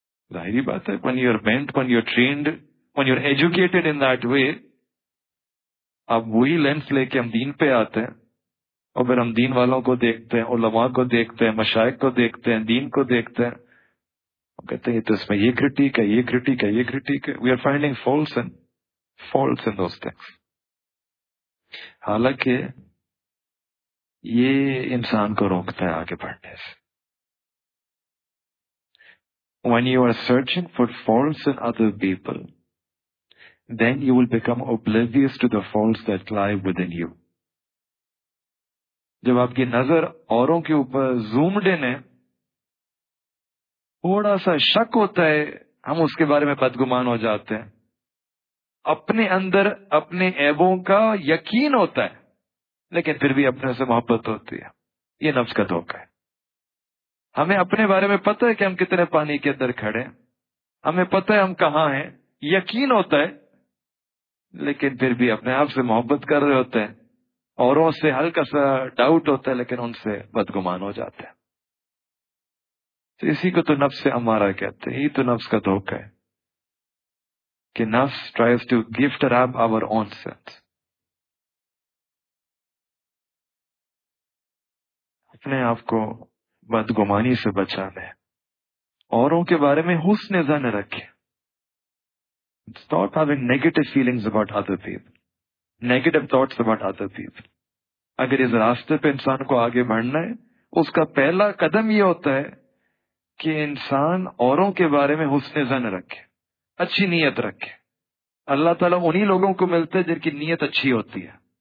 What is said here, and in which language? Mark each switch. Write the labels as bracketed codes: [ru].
[ur] ظاہری بات ہے, [en] when you are bent, when you are trained, when you are educated in that way, [ur] اب وہی لینس لے کے ہم دین پہ آتے ہیں, اور پھر ہم دین والوں کو دیکھتے ہیں, علماء کو دیکھتے ہیں, مشائق کو دیکھتے ہیں, دین کو دیکھتے ہیں, ہم کہتے ہیں یہ تو اس میں یہ کرٹیک ہے, یہ کرٹیک ہے, یہ کرٹیک ہے. [en] We are finding false in false in those things. [ur] حالانکہ یہ انسان کو روکتا ہے آگے بڑھنے سے. [en] When you are searching for faults in other people, then you will become oblivious to the faults that lie within you. [ur] جب آپ کی نظر اوروں کے اوپر زومڈ ان ہے, تھوڑا سا شک ہوتا ہے, ہم اس کے بارے میں بدگمان ہو جاتے ہیں. اپنے اندر اپنے عیبوں کا یقین ہوتا ہے, لیکن پھر بھی اپنے سے محبت ہوتی ہے. یہ نفس کا دھوکہ ہے. ہمیں اپنے بارے میں پتہ ہے کہ ہم کتنے پانی کے اندر کھڑے ہیں, ہمیں پتہ ہے ہم کہاں ہیں, یقین ہوتا ہے, لیکن پھر بھی اپنے آپ سے محبت کر رہے ہوتے ہیں. اوروں سے ہلکا سا ڈاؤٹ ہوتا ہے, لیکن ان سے بدگمان ہو جاتے ہیں. تو اسی کو تو نفس امارہ کہتے ہیں. یہ تو نفس کا دھوکہ ہے کہ نفس [en] tries to gift rob our own sense, [ur] اپنے آپ کو بدگمانی سے بچا لے, اوروں کے بارے میں حسن ظن رکھے. [en] Stop having negative feelings about other people, negative thoughts about other people. [ur] اگر اس راستے پہ انسان کو آگے بڑھنا ہے, اس کا پہلا قدم یہ ہوتا ہے کہ انسان اوروں کے بارے میں حسن ظن رکھے, اچھی نیت رکھے. اللہ تعالیٰ انہی لوگوں کو ملتے ہیں جن کی نیت اچھی ہوتی ہے.